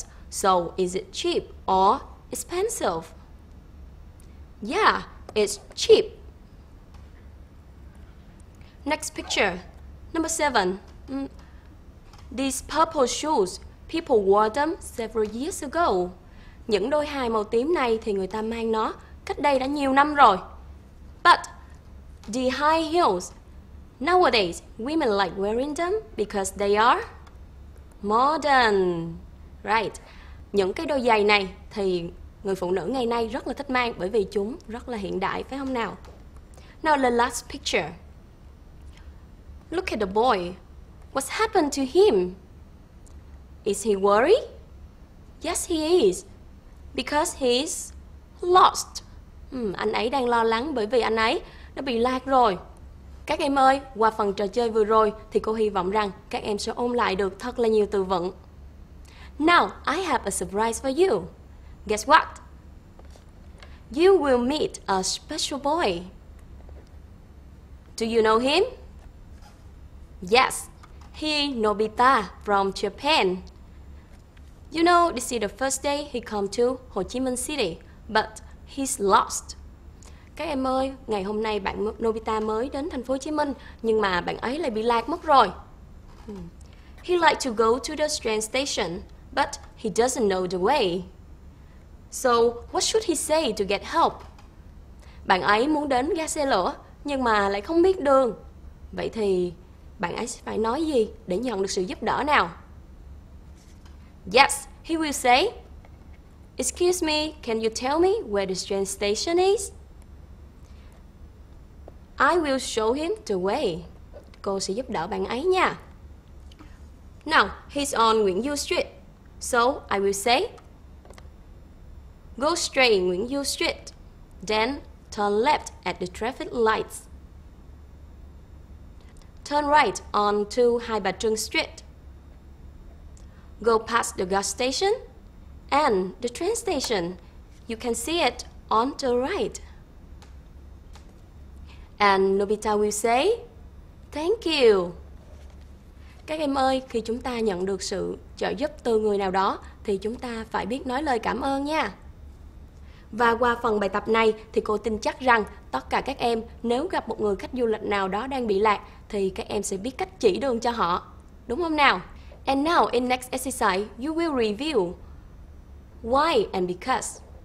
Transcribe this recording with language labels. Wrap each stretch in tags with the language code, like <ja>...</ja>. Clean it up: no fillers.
<en>So, is it cheap or expensive? Yeah, it's cheap. Next picture, number 7. These purple shoes, people wore them several years ago.</en> <vi>Những đôi hài màu tím này thì người ta mang nó cách đây đã nhiều năm rồi.</vi> <en>But the high heels, nowadays women like wearing them because they are modern. Right.</en> <vi>Những cái đôi giày này thì người phụ nữ ngày nay rất là thích mang bởi vì chúng rất là hiện đại, phải không nào?</vi> <en>Now the last picture. Look at the boy. What's happened to him? Is he worried? Yes, he is. Because he's lost.</en> <vi>Anh ấy đang lo lắng bởi vì anh ấy đã bị lạc rồi. Các em ơi, qua phần trò chơi vừa rồi thì cô hy vọng rằng các em sẽ ôn lại được thật là nhiều từ vựng.</vi> <en>Now, I have a surprise for you. Guess what? You will meet a special boy. Do you know him? Yes, he Nobita from Japan. You know, this is the first day he come to Ho Chi Minh City, but he's lost.</en> <vi>Các em ơi, ngày hôm nay bạn Nobita mới đến thành phố Hồ Chí Minh, nhưng mà bạn ấy lại bị lạc mất rồi.</vi> <en>He like to go to the train station, but he doesn't know the way. So, what should he say to get help?</en> <vi>Bạn ấy muốn đến ga xe lửa, nhưng mà lại không biết đường. Vậy thì bạn ấy phải nói gì để nhận được sự giúp đỡ nào?</vi> <en>Yes, he will say, "Excuse me, can you tell me where the train station is?" I will show him the way. Cô sẽ giúp đỡ bạn ấy nha. Now, he's on Nguyễn Du Street. So, I will say, "Go straight Nguyễn Du Street, then turn left at the traffic lights. Turn right onto Hai Bà Trưng Street. Go past the gas station and the train station. You can see it on the right." And Nobita will say, thank you.</en> <vi>Các em ơi, khi chúng ta nhận được sự trợ giúp từ người nào đó, thì chúng ta phải biết nói lời cảm ơn nha. Và qua phần bài tập này, thì cô tin chắc rằng tất cả các em nếu gặp một người khách du lịch nào đó đang bị lạc, thì các em sẽ biết cách chỉ đường cho họ. Đúng không nào?</vi> <en>And now, in next exercise, you will review why and because.</en>